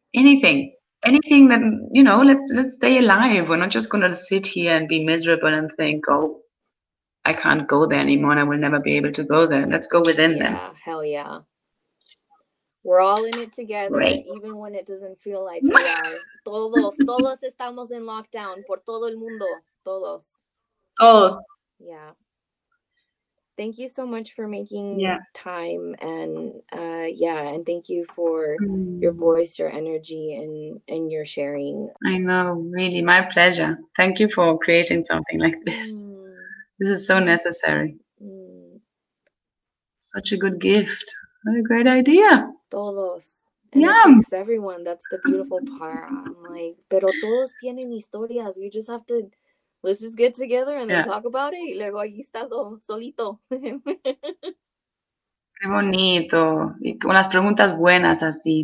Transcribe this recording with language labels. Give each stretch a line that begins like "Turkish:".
English: Anything that, you know, let's stay alive. We're not just going to sit here and be miserable and think, oh, I can't go there anymore and I will never be able to go there. Let's go within then. Yeah, hell yeah. We're all in it together, even when it doesn't feel like we are.
Spanish: Todos estamos en lockdown por todo el mundo. Todos.
English: Oh. Yeah. Thank you so much for making time, and and thank you for your voice, your energy, and your sharing. I know, really, my pleasure. Thank you for creating something like this. This is so necessary. Such a good gift. What a great idea.
Spanish: Todos.
English: And it takes everyone. That's the beautiful part. I'm like,
Spanish: pero todos tienen historias.
English: You just have to. Let's just get together and then talk about it.
Spanish: Luego ahí está todo solito. Qué bonito. Y con las preguntas buenas así.